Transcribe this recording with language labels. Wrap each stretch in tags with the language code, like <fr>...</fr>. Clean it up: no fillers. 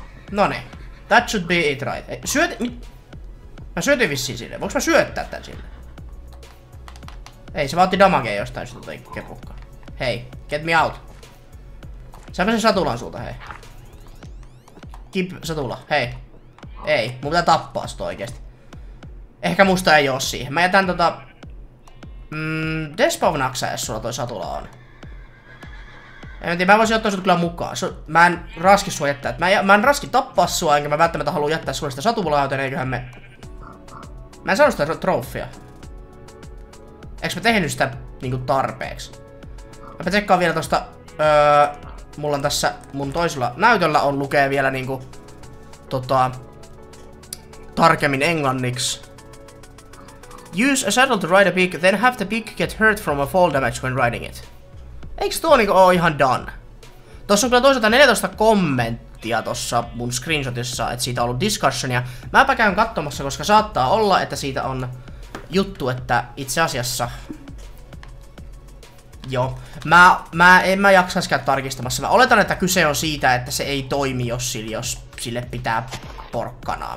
<en>Noniin, that should be it right.</en> <fi>Mä syötin vissiin sille, voinko mä syöttää tän sille? Ei, se vaatti damagea jostain syystä tai kepukka. Hei,</fi> <en>get me out.</en> <fi>Saanko sen satulan sulta, hei? Kip, satula, hei. Ei, mun pitää tappaa sut oikeesti. Ehkä musta ei oo siihen. Mä jätän tota... despawnaaksä, jos sulla toi satula on. En tiedä, mä voisin ottaa sut kyllä mukaan. Mä en raski sua jättää. Mä en raski tappaa sua, enkä mä välttämättä haluu jättää sulle sitä satulaa, joten eiköhän me... Mä en saanut sitä trofia. Eiks mä tehnyt sitä niinku tarpeeksi? Mä tsekkaan vielä tosta, mulla on tässä mun toisella näytöllä on lukee vielä niinku, tota, tarkemmin englanniksi.</fi> <en>Use a saddle to ride a pig, then have the pig get hurt from a fall damage when riding it.</en> <fi>Eiks tuo niinku oo ihan done? Tossa on kyllä toisaalta 14 kommenttia tossa mun screenshotissa, että siitä on ollut discussionia. Mäpä käyn katsomassa, koska saattaa olla, että siitä on juttu, että itse asiassa... Joo. Mä en jaksais käydä tarkistamassa. Mä oletan, että kyse on siitä, että se ei toimi, jos sille pitää porkkanaa.</fi>